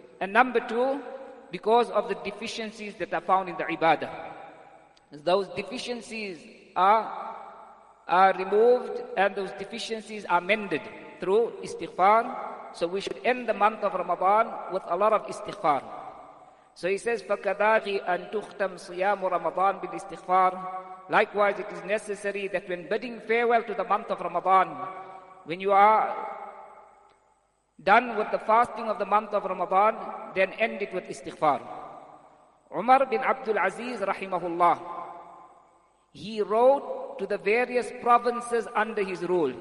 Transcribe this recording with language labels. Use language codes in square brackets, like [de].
[en] And number two, because of the deficiencies that are found in the ibadah. Those deficiencies are removed and those deficiencies are mended through istighfar. So we should end the month of Ramadan with a lot of istighfar. So he says, [ar] فَكَذَاغِ أَن تُخْتَمْ صِيَامُ رَمَضَانَ بِالْاِسْتِغْفَارِ. [en] Likewise, it is necessary that when bidding farewell to the month of Ramadan, when you are done with the fasting of the month of Ramadan, then end it with istighfar. Umar bin Abdul Aziz, rahimahullah, he wrote to the various provinces under his rule.